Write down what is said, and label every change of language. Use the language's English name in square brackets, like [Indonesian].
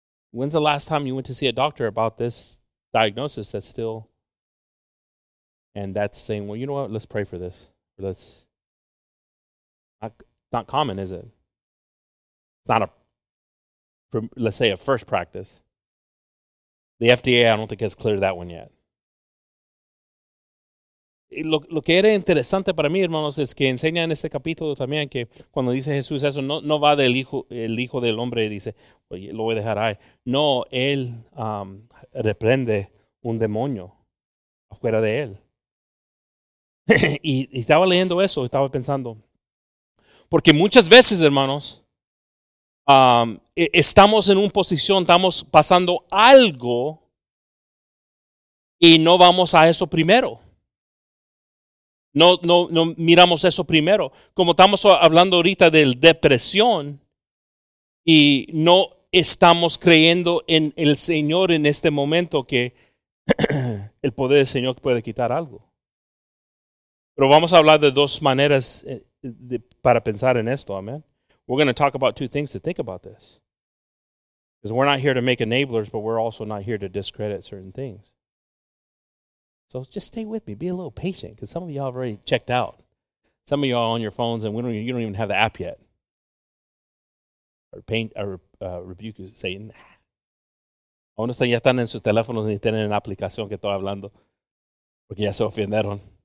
[English] When's the last time you went to see a doctor about this diagnosis that's still, and that's saying, well, you know what, let's pray for this. Let's. Not common, is it? It's not a, let's say, a first practice. The FDA, I don't think has cleared that one yet. [Spanish] Lo que era interesante para mí, hermanos, es que enseña en este capítulo también que cuando dice Jesús eso, no va del hijo, el hijo del hombre dice, oye, lo voy a dejar ahí. No, él reprende un demonio afuera de él. y estaba leyendo eso, estaba pensando. Porque muchas veces, hermanos, estamos en una posición, estamos pasando algo y no vamos a eso primero. No miramos eso primero. Como estamos hablando ahorita de depresión y no estamos creyendo en el Señor en este momento que el poder del Señor puede quitar algo. Pero vamos a hablar de dos maneras para pensar en esto, amén. [English] We're going to talk about two things to think about this. Because we're not here to make enablers, but we're also not here to discredit certain things. So just stay with me. Be a little patient, because some of y'all have already checked out. Some of y'all are on your phones, and you don't even have the app yet. Rebuke is saying, [Spanish] aún están ya están en sus teléfonos ni tienen la aplicación que estoy hablando, porque ya se ofendieron.